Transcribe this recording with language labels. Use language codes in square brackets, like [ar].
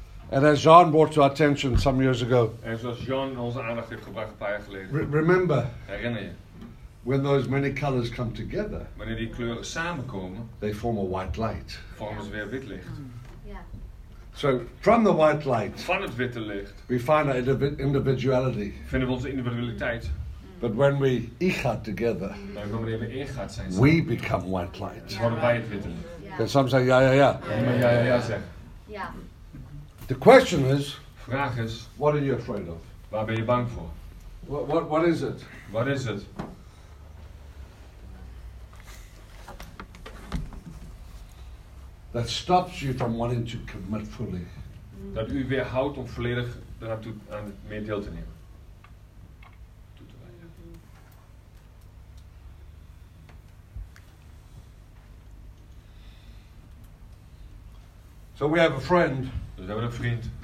[en] And as Jean brought to our attention some years ago. [nl] En zoals Jean onze aandacht heeft gebracht een paar jaar geleden. [en] Remember. [nl] Herinner je? [en] When those many colors come together. [nl] Wanneer die kleuren samenkomen. [en] They form a white light. [nl] Vormen ze weer wit licht. [en] So from the white light. [nl] Van het witte licht. [en] We find our individuality. [nl] Vinden we onze individualiteit. [en] But when we ichat together. [nl] Maar wanneer we ichat zijn. [en] We become white light. [nl] Worden wij het witte licht. [en] And some say ja ja ja. [nl] Ja ja ja zeg. Ja. [en] The question is. [nl] Vraag is. [en] What are you afraid of? [nl] Waar ben je bang voor? [en] What is it? What is it? That stops you from wanting to commit fully. [nl] Dat u weerhoudt om volledig daartoe aan mee deel te nemen. [en] So we have a friend. [nl] Dus we hebben een vriend.